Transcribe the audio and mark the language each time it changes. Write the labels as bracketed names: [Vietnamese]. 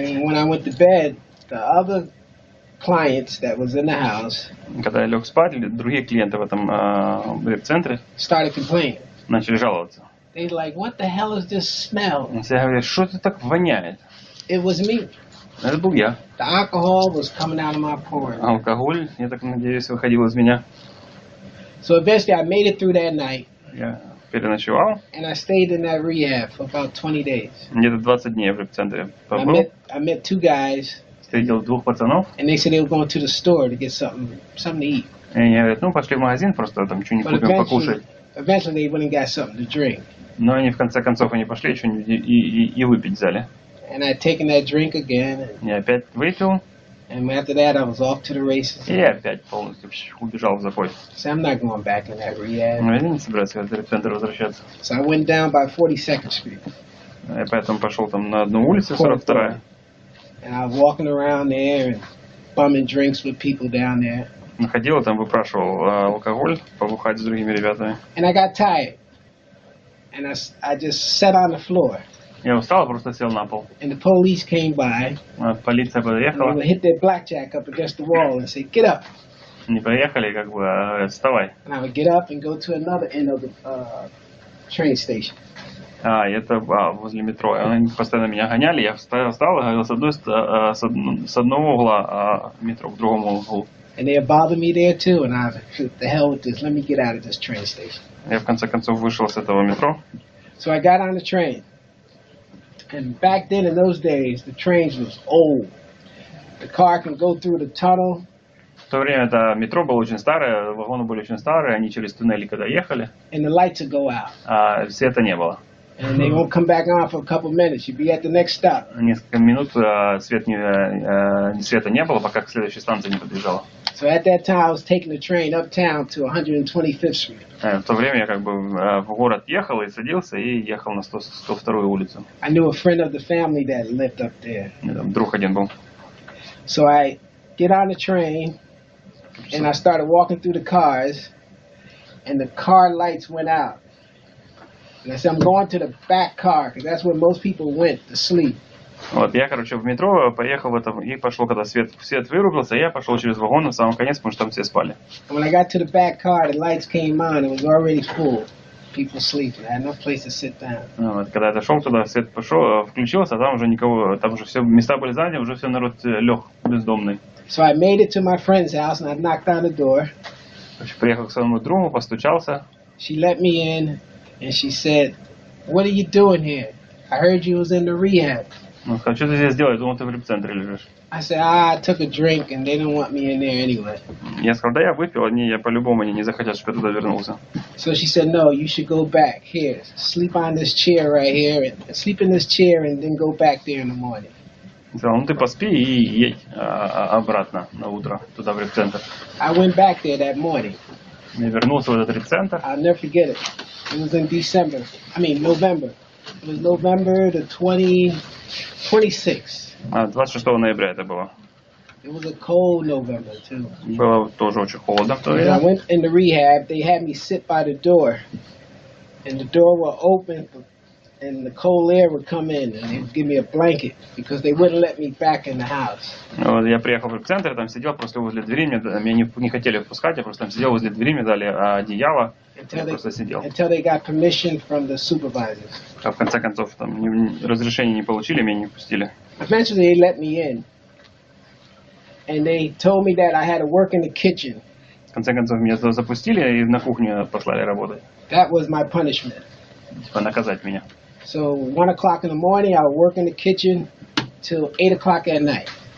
[English] And when I went to bed, the other clients that was in the house. [Russian] Когда я лег спать, другие клиенты в этом центре [English] started complaining. [Russian] Начали жаловаться. [English] They like, "What the hell is this smell?" [Russian] Все говорят, что это так воняет. [English] It was me. [Russian] Это был я. [English] The alcohol was coming out of my pores. [Russian] Алкоголь, я так надеюсь, выходил из меня. [English] So eventually, I made it through that night. [Russian] Я переночевал. [English] And I stayed in that rehab for about 20 days. [Russian] Где-то 20 дней в центре побыл. [English] I met two guys. [Russian] Встретил двух пацанов. [English] And they said they were going to the store to get something to eat. [Russian] И они говорят, ну пошли в магазин просто там что-нибудь купим покушать. [English] Eventually they went and got something to drink. [Russian] Но они в конце концов они пошли что-нибудь и выпить взяли. [English] And I'd taken that drink again. [Russian] Я опять выпил. [English] And after that I was off to the races. [Russian] И опять полностью убежал в запой. [English] So I'm not going back in that rehab. [Russian] Ну я не собираюсь в этот центр возвращаться. [English] So I went down by 42nd Street. [Russian] Я поэтому пошел там на одну улицу 42-я. [English] And I was walking around there and bumming drinks with people down there. [Russian] Находил там, выпрашивал алкоголь, побухать с другими ребятами. [English] And I got tired. And I just sat on the floor. [Russian] Я устал, просто сел на пол. [English] And the police came by. [Russian] Полиция подъехала. [English] And they hit their blackjack up against the wall and said, "Get up." [Russian] Не проехали, как бы, вставай. [English] And I would get up and go to another end of the train station. [Russian] А, это возле метро. Они постоянно меня гоняли. Я встал и говорил, с одного угла метро к другому углу. [English] And they bothered me there too, and I said, "The hell with this, let me get out of this train station." [Russian] Я в конце концов вышел с этого метро. [English] So I got on the train. And back then in those days, the trains was old. The car can go through the tunnel. [Russian] В то время это метро было очень старое, вагоны были очень старые, они через туннели когда ехали. [English] And the lights would go out. [Russian] А света не было. [English] And they won't come back on for a couple minutes. You'd be at the next stop. [Russian] Несколько минут света не было, пока к следующей станции не подъезжала. [English] So at that time I was taking the train uptown to 125th Street. [Russian] В то время я как бы в город ехал и садился и ехал на 102-ю улицу. [English] I knew a friend of the family that lived up there. [Russian] Друг один был. [English] So I get on the train and I started walking through the cars and the car lights went out. And I said, "I'm going to the back car, because that's where most people went to sleep." [Russian] Вот я, короче, в метро поехал в этом и пошел, когда свет вырубился, я пошел через вагон на самом конец, потому что там все спали. [English] And when I got to the back car, the lights came on, it was already full. People sleeping. I had no place to sit down. [Russian] Ну, вот, когда я дошел туда, свет пошел, включился, там уже никого, там уже все места были заняты, уже все народ лег бездомный. [English] So I made it to my friend's house and I knocked on the door. [Russian] Приехал к своему другу, постучался. [English] She let me in. And she said, "What are you doing here? I heard you was in the rehab." [Russian] Ну, а что ты здесь делаешь? Думал, ты в реабилитационном центре лежишь. [English] I said, "Ah, I took a drink, and they don't want me in there anyway." [Russian] Я сказал, да, я выпил, они, я по-любому, они не захотят, чтобы я туда вернулся. [English] So she said, "No, you should go back here. Sleep on this chair right here, and sleep in this chair, and then go back there in the morning." [Russian] Сказал, ну ты поспи и едь обратно на утро туда в реабилитационный центр. [English] I went back there that morning. [Russian] Я вернулся в этот реабилитационный центр. [English] I'll never forget it. It was in December. I mean, November. It was November the 26th. [Russian] 26 ноября это было. [English] It was a cold November too. [Russian] Было тоже очень холодно в то время. [English] And I went in the rehab. They had me sit by the door. and the door would open, and the cold air would come in, and they'd give me a blanket because they wouldn't let me back in the house. [Russian] Вот я приехал в центр, там сидел просто возле двери, меня не хотели впускать, я просто там сидел возле двери, мне дали одеяло, просто сидел. [English] Until they got permission from the supervisors. [Russian] А в конце концов там разрешение не получили, меня не впустили. [English] Eventually they let me in, and they told me that I had to work in the kitchen. [Russian] В конце концов меня туда запустили и на кухню послали работать. [English] That was my punishment. [Russian] Типа наказать меня. [English] So 1 o'clock in the morning, I would work in the kitchen till 8 o'clock at night.